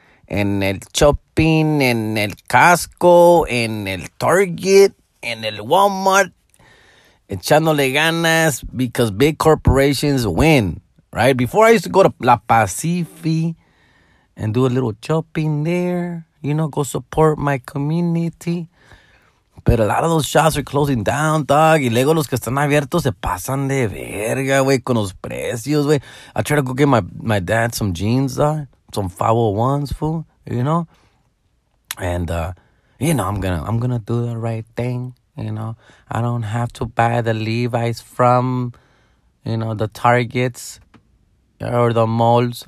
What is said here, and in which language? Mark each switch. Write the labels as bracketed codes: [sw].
[es] En el shopping, en el Costco, en el Target, en el Walmart. Echándole ganas [en] because big corporations win, right? Before, I used to go to La Pacifi and do a little shopping there, you know, go support my community. But a lot of those shops are closing down, dog. [es] Y luego los que están abiertos se pasan de verga, güey, con los precios, güey. [en] I try to go get my dad some jeans, dog, some 501s, fool, you know? And, you know, I'm gonna do the right thing. You know, I don't have to buy the Levi's from, you know, the Targets or the malls.